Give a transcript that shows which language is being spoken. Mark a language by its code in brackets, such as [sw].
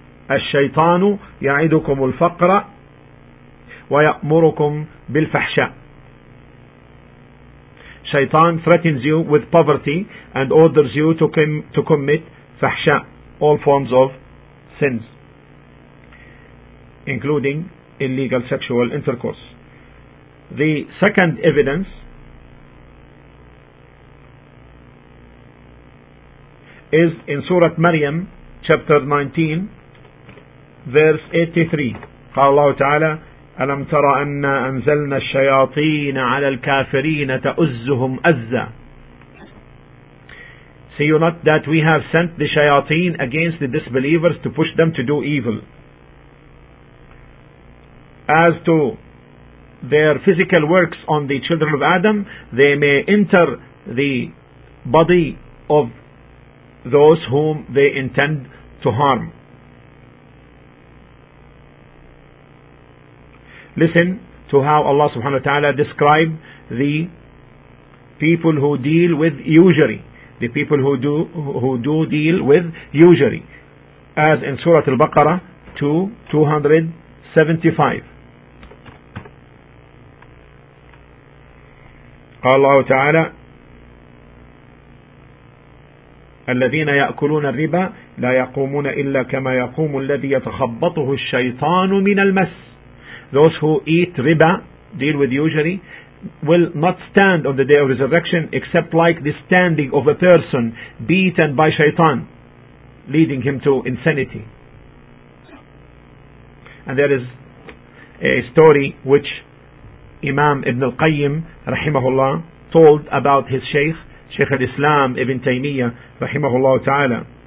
[ar] الشيطان يعدكم الفقر ويأمركم بالفحشاء. [en] Shaitan threatens you with poverty and orders you to commit فحشاء, all forms of sins, including illegal sexual intercourse. The second evidence is in Surah Maryam, chapter 19, verse 83. [ar] قال الله تعالى ألم ترى أن أنزلنا الشياطين على الكافرين تأزهم أزا. [en] See you not that we have sent the shayateen against the disbelievers to push them to do evil. As to their physical works on the children of Adam, they may enter the body of those whom they intend to harm. Listen to how Allah subhanahu wa ta'ala described the people who deal with usury, the people who do deal with usury, as in Surah Al-Baqarah 2:275. [ar] قال الله تعالى الذين يأكلون الربا لا يقومون إلا كما يقوم الذي يتخبطه الشيطان من المس. [en] Those who eat riba, deal with usury, will not stand on the day of resurrection except like the standing of a person beaten by shaitan, leading him to insanity. And there is a story which Imam Ibn al-Qayyim, rahimahullah, told about his shaykh, Shaykh al-Islam Ibn Taymiyyah, rahimahullah ta'ala.